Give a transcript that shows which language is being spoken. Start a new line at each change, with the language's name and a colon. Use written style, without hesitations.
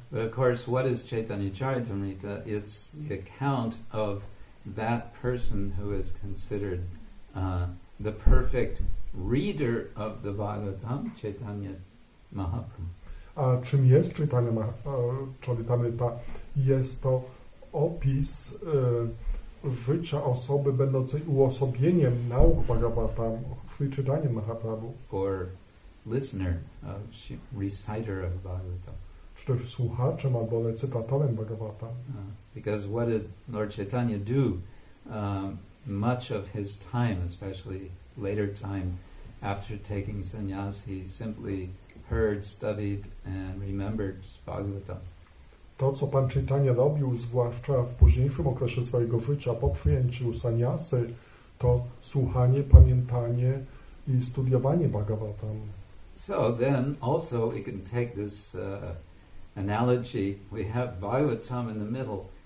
English: But of course, what is Chaitanya Charitamrita? It's the account of that person who is considered the perfect reader of the Bhagavatam, Chaitanya Mahaprabhu.
Polish: A czym jest Chaitanya Charitamrita? Jest to opis życia osoby będącej uosobieniem nauk Bhagavatam, czyli Chaitanya Mahaprabhu.
English: Or listener, reciter of Bhagavatam.
Polish: Czy też słuchaczem albo recytatorem Bhagavatam.
English: Because what did Lord Chaitanya do much of his time, especially later time, after taking sannyas, he simply heard, studied and remembered Bhagavatam.
Polish: To, co Pan Chaitanya robił, zwłaszcza w późniejszym okresie swojego życia, po przyjęciu sannyasy, to słuchanie, pamiętanie i studiowanie Bhagavatam.
English: So then also we can take this analogy. We have Bhagavatam in the middle.